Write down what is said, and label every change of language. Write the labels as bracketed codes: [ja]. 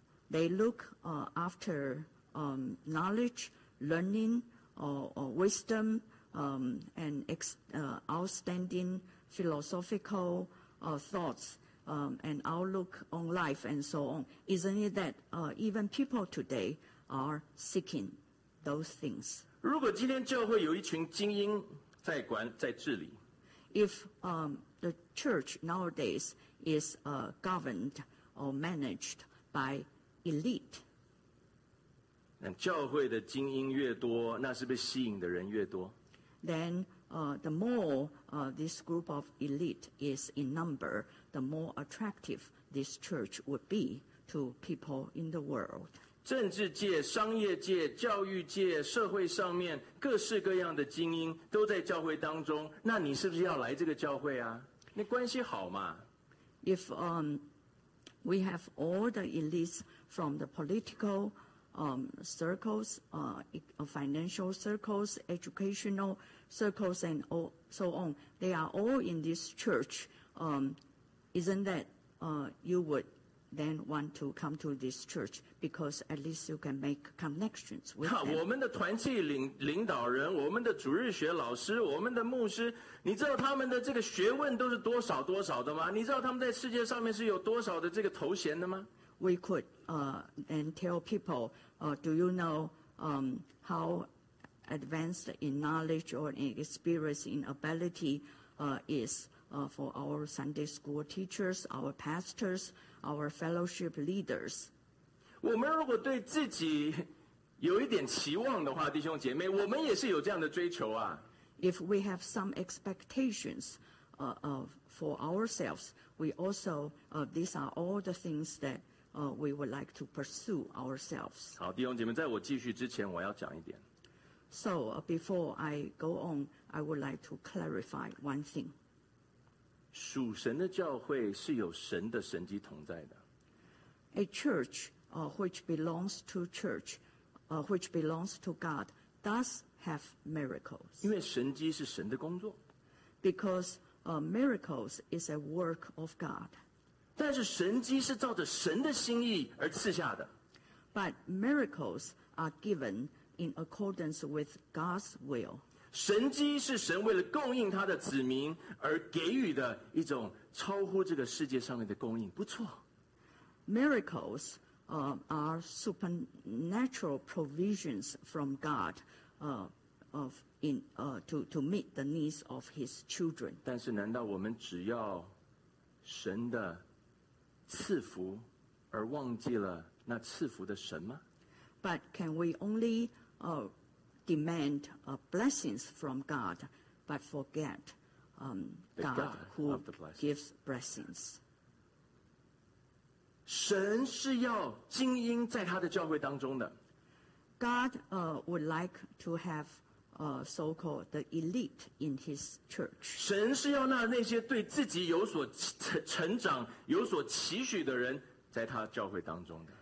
[en] They look after knowledge, learning, or wisdom, and outstanding philosophical thoughts. And outlook on life and so on. Isn't it that even people today are seeking those things? [zh] 如果今天教会有一群精英在管在治理， [en] if the church nowadays is governed or managed by elite, [zh] 教会的精英越多，那是不是吸引的人越多？ [en] Then the more this group of elite is in number,the more attractive this church would be to people in the world. [zh] 政治界、商业界、教育界、社会上面各式各样的精英都在教会当中，那你是不是要来这个教会啊？那关系好嘛。 [en] If we have all the elites from the political circles, financial circles, educational circles, and so on, they are all in this church, isn't that you would then want to come to this church because at least you can make connections with them? [zh] 我们的团契领导人，我们的主日学老师，我们的牧师，你知道他们的这个学问都是多少多少的吗？你知道他们在世界上面是有多少的这个头衔的吗？ [en] We could and tell people, do you know how advanced in knowledge or in experience in ability is? For our Sunday school teachers, our pastors, our fellowship leaders. [zh] 我们如果对自己有一点期望的话，弟兄姐妹，我们也是有这样的追求啊。 [en] If we have some expectations, for ourselves, we also, these are all the things that, we would like to pursue ourselves. [zh] 好，弟兄姐妹，在我继续之前，我要讲一点。 [en] So, before I go on, I would like to clarify one thing. [zh] 属神的教会是有神的神迹同在的。 [en] A church, which belongs to church, which belongs to God, does have miracles. [zh] 因为神迹是神的工作。 [en] Because, miracles is a work of God. [zh] 但是神迹是照着神的心意而赐下的。 [en] But miracles are given in accordance with God's will. [zh] 神迹是神为了供应他的子民而给予的一种超乎这个世界上面的供应，不错。 [en] Miracles, are supernatural provisions from God, to meet the needs of His children. [zh] 但是，难道我们只要神的赐福而忘记了那赐福的神吗 [en] ？But can we only, demand blessings from God, but forget God who gives blessings. [zh] 神是要精英在他的教会当中的。 [en] God would like to have so-called the elite in his church. [zh] 神是要让那些对自己有所成长、有所期许的人在他教会当中的。